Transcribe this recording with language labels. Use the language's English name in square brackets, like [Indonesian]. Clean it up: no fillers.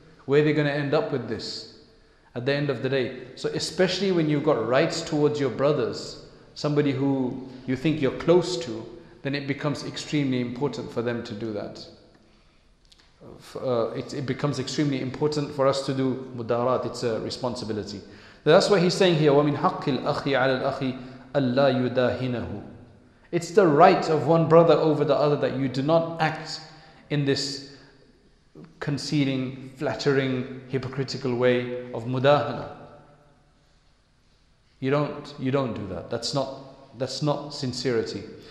[English] Where are they going to end up with this at the end of the day? So especially when you've got rights towards your brothers, somebody who you think you're close to, then it becomes extremely important for them to do that. It becomes extremely important for us to do mudarat. It's a responsibility. That's why he's saying here, [Arabic] وَمِنْ حَقِّ الْأَخِي عَلَى الْأَخِي أَلَّا يُدَاهِنَهُ. [English] It's the right of one brother over the other that you do not act in this conceding, flattering, hypocritical way of mudahana. You don't do that. That's not sincerity.